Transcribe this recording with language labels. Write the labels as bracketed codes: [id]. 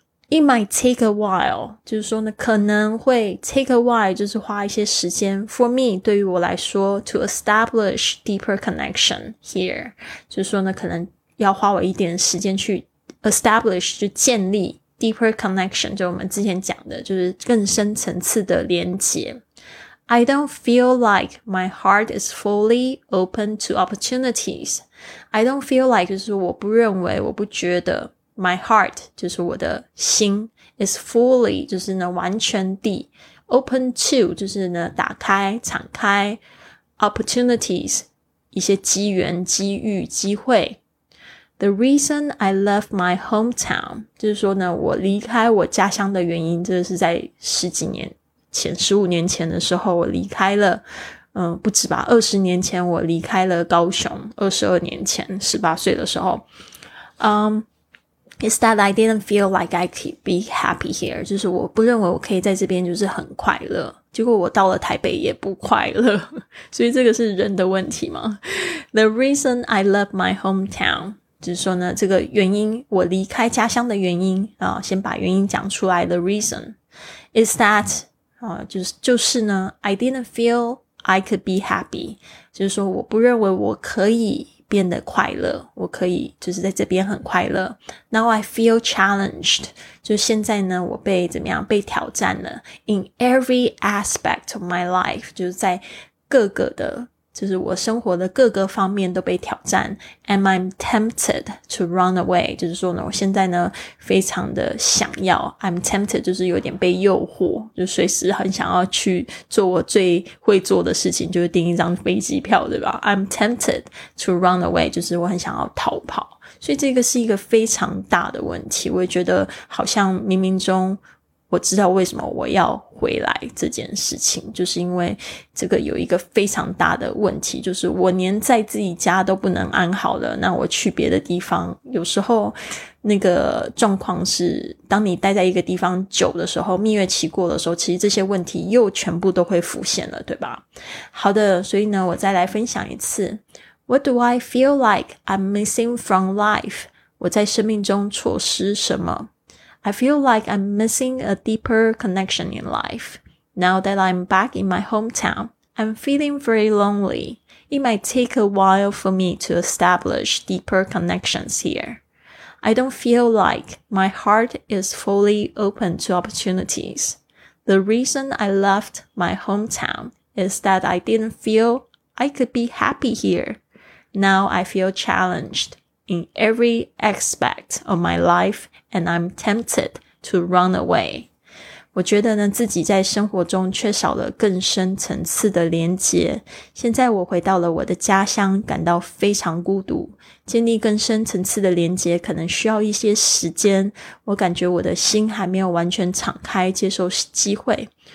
[en] It might take a while, [zh] 就是说呢，可能会 [en] take a while, [zh] 就是花一些时间 [en] for me, [zh] 对于我来说 [en] to establish deeper connection here, [zh] 就是说呢，可能要花我一点时间去 establish, 就建立 [en] Deeper connection, [zh] 就我们之前讲的，就是更深层次的连结。 [en] I don't feel like my heart is fully open to opportunities. I don't feel like, [zh] 就是我不认为，我不觉得 [en] my heart, [zh] 就是我的心 [en] is fully, [zh] 就是呢完全地 [en] open to, [zh] 就是呢打开，敞开 [en] opportunities, [zh] 一些机缘，机遇，机会。 The reason I left my hometown, 就是说呢，我离开我家乡的原因，这是在十几年前，十五年前的时候，我离开了，不止吧，二十年前我离开了高雄，二十二年前，十八岁的时候。 [en] Is that I didn't feel like I could be happy here, [zh] 就是我不认为我可以在这边就是很快乐。结果我到了台北也不快乐。所以这个是人的问题吗？ [en] The reason I left my hometown, [zh] 就是说呢，这个原因，我离开家乡的原因啊，先把原因讲出来。 [en] The reason is that [zh] 啊，就是呢 [en] ，I didn't feel I could be happy。 [zh] 就是说，我不认为我可以变得快乐，我可以就是在这边很快乐。 [en] Now I feel challenged。 [zh] 就现在呢，我被怎么样被挑战了 [en] ？In every aspect of my life， [zh] 就是在各个的。就是我生活的各个方面都被挑战。 [en] Am I tempted to run away? [zh] 就是说呢，我现在呢非常的想要， [en] I'm tempted [zh] 就是有点被诱惑，就随时很想要去做我最会做的事情，就是订一张飞机票，对吧？ [en] I'm tempted to run away, [zh] 就是我很想要逃跑。所以这个是一个非常大的问题，我也觉得好像冥冥中我知道为什么我要回来这件事情，就是因为这个有一个非常大的问题，就是我连在自己家都不能安好了，那我去别的地方，有时候那个状况是，当你待在一个地方久的时候，蜜月期过的时候，其实这些问题又全部都会浮现了，对吧？好的，所以呢，我再来分享一次。 [en] What do I feel like I'm missing from life? [zh] 我在生命中错失什么？ [en] I feel like I'm missing a deeper connection in life. Now that I'm back in my hometown, I'm feeling very lonely. It might take a while for me to establish deeper connections here. I don't feel like my heart is fully open to opportunities. The reason I left my hometown is that I didn't feel I could be happy here. Now I feel challenged. In every aspect of my life, and I'm tempted to run away. [zh] 我觉得呢，自己在生活中缺少了更深层次的连结。现在我回到了我的家乡，感到非常孤独。建立更深层次的连结可能需要一些时间，我感觉我的心还没有完全敞开接受机会。